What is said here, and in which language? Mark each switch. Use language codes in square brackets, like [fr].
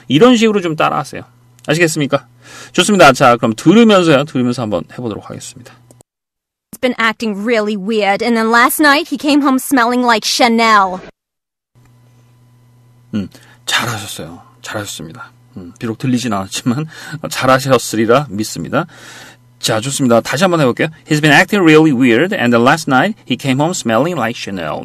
[ko] 이런 식으로 좀 따라하세요. 아시겠습니까? 좋습니다. 자, 그럼 들으면서요. 들으면서 한번 해보도록 하겠습니다. [en] He's been acting really weird. And then last night he came home smelling like Chanel. [ko] 잘하셨어요. 잘하셨습니다. 비록 들리진 않았지만 잘하셨으리라 믿습니다. 자, 좋습니다. 다시 한번 해볼게요. [en] He's been acting really weird and then last night he came home smelling like Chanel.